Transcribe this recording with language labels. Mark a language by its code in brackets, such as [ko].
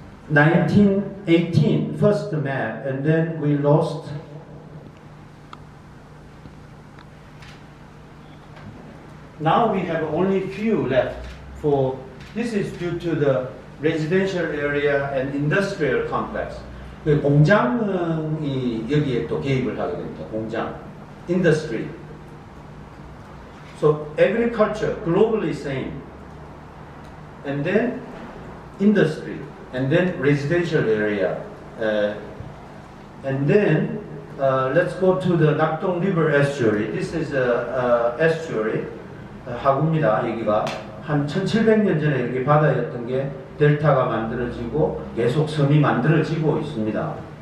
[en] 1918 first map, and then we lost. Now we have only few left. For this is due to the residential area and industrial complex. [ko] 그 공장이 여기에 또 개입을 하게 됩니다. 공장, industry. [en] So agriculture globally same, and then industry, and then residential area, and then let's go to the Nakdong River estuary. This is a estuary. [ko] 하구입니다. 여기가 한 1700년 전에 이렇게 바다였던 게 델타가 만들어지고 계속 섬이 만들어지고 있습니다.